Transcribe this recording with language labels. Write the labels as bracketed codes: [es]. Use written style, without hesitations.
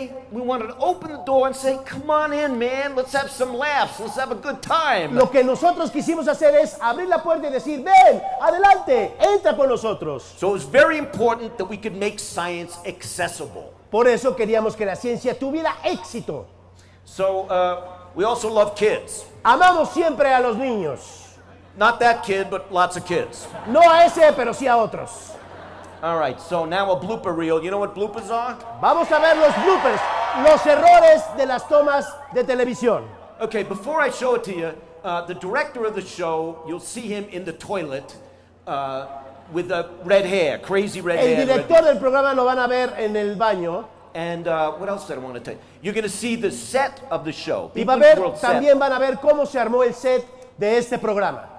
[en] We wanted to open the door and say, come on in, man. Let's have some laughs. Let's have a good time. [es] Lo que nosotros quisimos hacer es abrir la puerta y decir, ven, adelante, entra con nosotros. [en] So it was very important that we could make science accessible. [es] Por eso queríamos que la ciencia tuviera éxito. [en] So we also love kids. [es] Amamos siempre a los niños. [en] Not that kid, but lots of kids. [es] No a ese, pero sí a otros. [en] All right, so now a blooper reel. You know what bloopers are? [es] Vamos a ver los bloopers, los errores de las tomas de televisión. [en] Okay, before I show it to you, the director of the show, you'll see him in the toilet with a red hair, crazy red [es] el [en] hair. [es] El director del programa lo van a ver en el baño. [en] And what else did I want to tell you? You're going to see the set of the show. [es] Y va a ver, también van a ver cómo se armó el set de este programa.